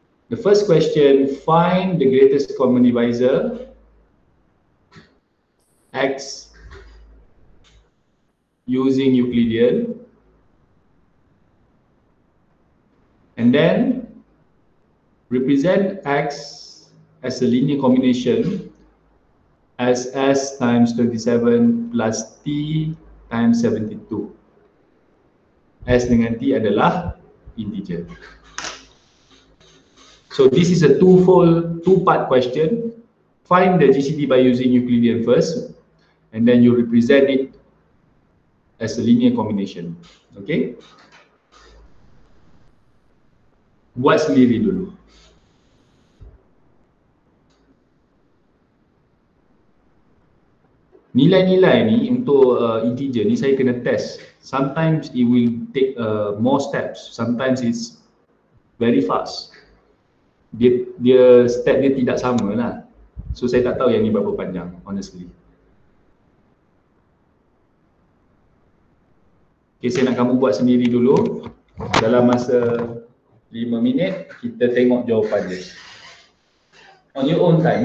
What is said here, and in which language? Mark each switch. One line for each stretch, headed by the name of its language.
English: The first question, find the greatest common divisor, X, using Euclidean. And then represent X as a linear combination as S times 27 plus T times 72.
Malay: S dengan T adalah integer.
English: So this is a two-part question. Find the GCD by using Euclidean first, and then you represent it as a linear combination.
Malay: Okay, buat sendiri dulu. Nilai-nilai ni untuk integer ni saya kena test.
English: Sometimes it will take more steps, sometimes it's very fast.
Malay: Dia step dia tidak sama lah. So saya tak tahu yang ni berapa panjang, honestly. Okay, saya nak kamu buat sendiri dulu. Dalam masa 5 minit, kita tengok jawapan dia.
English: On your own time.